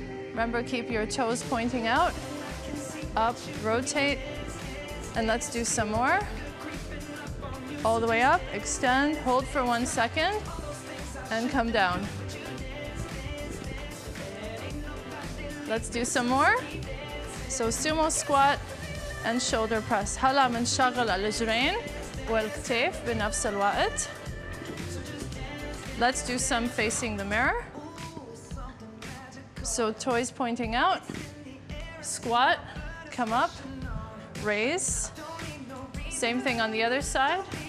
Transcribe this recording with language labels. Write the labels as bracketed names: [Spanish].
[English] Remember, keep your toes pointing out, up, rotate, and let's do some more. All the way up, extend, hold for 1 second, and come down. Let's do some more. So sumo squat and shoulder press. [Arabic] هلا منشغل الجرين والكتف بنفس الوقت. [English] Let's do some facing the mirror. So toes pointing out, squat, come up, raise. Same thing on the other side.